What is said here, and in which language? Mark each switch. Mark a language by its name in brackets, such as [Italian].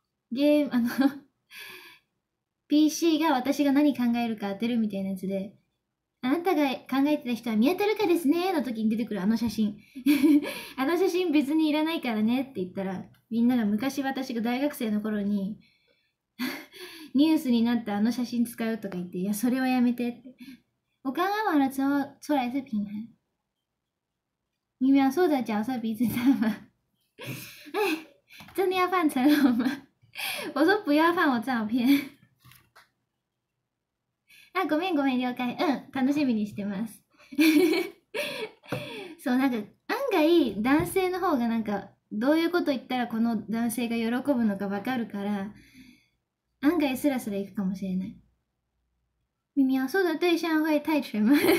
[Japanese] ゲーム、PC が私が何考えるか当てるみたいなやつで、あなたが考えてた人は見当たるかですね、の時に出てくるあの写真。あの写真別にいらないからねって言ったら、みんなが昔私が大学生の頃にニュースになったあの写真使うとか言って、いやそれはやめてって。 [Chinese] 我刚刚玩了之后出来是平衡。你描述的角色彼此知道吗？哎，真的要放成龙吗？我说不要放我照片。 [Japanese] 啊，ごめんごめん了解。嗯，楽しみにしてます。そう、なんか案外男性の方がなんかどういうこと言ったらこの男性が喜ぶのか分かるから、案外スラスラいくかもしれない。 [Chinese] 你描述的对象会泰拳吗？